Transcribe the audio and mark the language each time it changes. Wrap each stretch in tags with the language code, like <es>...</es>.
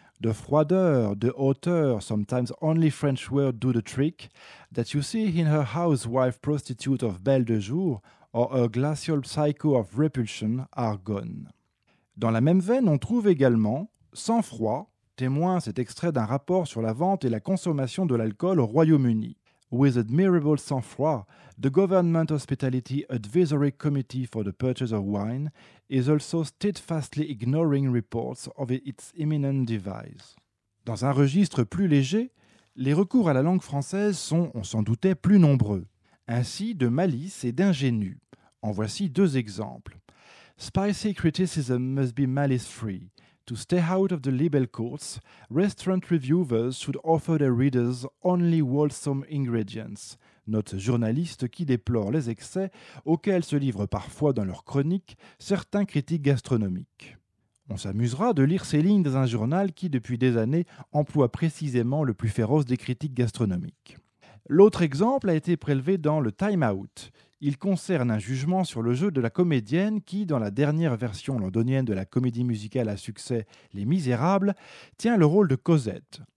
<en>The froideur, the hauteur, sometimes only French words do the trick, that you see in her housewife prostitute of Belle de Jour or her glacial psycho of repulsion are gone.</en> <fr>Dans la même veine, on trouve également sang-froid, témoin cet extrait d'un rapport sur la vente et la consommation de l'alcool au Royaume-Uni.</fr> <en>With admirable sang-froid, the Government Hospitality Advisory Committee for the Purchase of Wine is also steadfastly ignoring reports of its imminent demise.</en> <fr>Dans un registre plus léger, les recours à la langue française sont, on s'en doutait, plus nombreux. Ainsi, de malice et d'ingénu. En voici deux exemples.</fr> <en>Spicy criticism must be malice-free. To stay out of the libel courts, restaurant reviewers should offer their readers only wholesome ingredients.</en> <fr>Note journaliste qui déplore les excès auxquels se livrent parfois dans leurs chroniques certains critiques gastronomiques. On s'amusera de lire ces lignes dans un journal qui, depuis des années, emploie précisément le plus féroce des critiques gastronomiques. L'autre exemple a été prélevé dans le Time Out. Il concerne un jugement sur le jeu de la comédienne qui, dans la dernière version londonienne de la comédie musicale à succès Les Misérables, tient le rôle de Cosette.</fr>